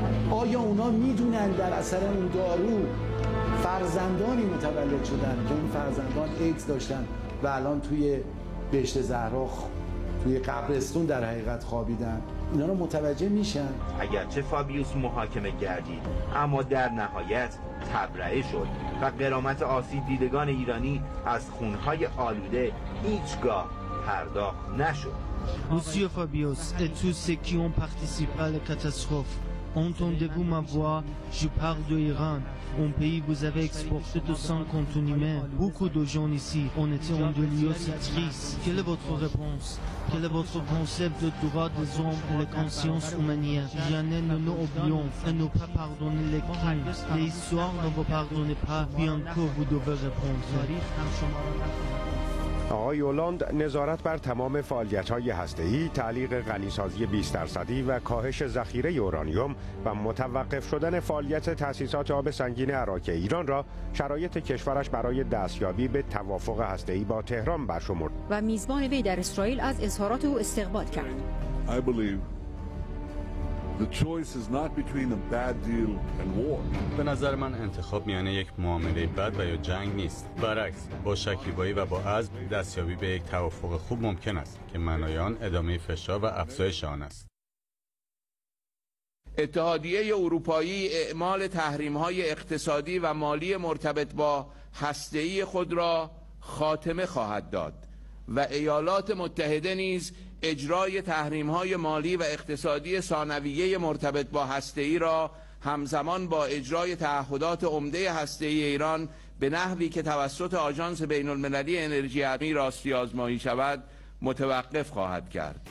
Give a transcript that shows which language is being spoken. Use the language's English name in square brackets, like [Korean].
[Persian] آیا اونا میدونن در اثر اون دارو فرزندانی متولد شدن که اون فرزندان ایدز داشتن و الان توی بهشت زهرا توی قبرستون در حقیقت خوابیدن؟ اینا رو متوجه میشن؟ اگرچه فابیوس محاکمه گردید اما در نهایت تبرئه شد و غرامت آسیب دیدگان ایرانی از خونهای آلوده هیچگاه پرداخت نشد. [French] Monsieur Fabius et tous ceux qui ont participé à la catastrophe, entendez-vous ma voix? Je parle de l'Iran, un pays où vous avez exporté du sang contaminé. Beaucoup de gens ici ont été en des lieux si tristes. Quelle est votre réponse? Quel est votre concept de droit des hommes et de conscience humaine? Jamais ne nous oublions et ne pas pardonner les crimes. L'histoire ne vous pardonne pas, bien que vous devez répondre. [Persian] آقای اولاند نظارت بر تمام فعالیت‌های هسته‌ای، تعلیق غنی‌سازی 20% و کاهش ذخیره اورانیوم و متوقف شدن فعالیت تأسیسات آب سنگین عراق ایران را شرایط کشورش برای دستیابی به توافق هسته‌ای با تهران برشمرد و میزبان وی در اسرائیل از اظهارات او استقبال کرد. [English] I believe the choice is not between a bad deal and war. [Persian] به نظر من انتخاب میانه یک معامله بد و یا جنگ نیست. برعکس، با شکیبایی و با عزم دستیابی به یک توافق خوب ممکن است که معنای آن ادامه فشار و افزایش آن است. اتحادیه اروپایی اعمال تحریم‌های اقتصادی و مالی مرتبط با هسته‌ای خود را خاتمه خواهد داد و ایالات متحده نیز اجرای تحریم‌های مالی و اقتصادی ثانویه مرتبط با هسته‌ای را همزمان با اجرای تعهدات عمده هسته‌ای ایران به نحوی که توسط آژانس بین‌المللی انرژی اتمی راستی آزمایی شود متوقف خواهد کرد.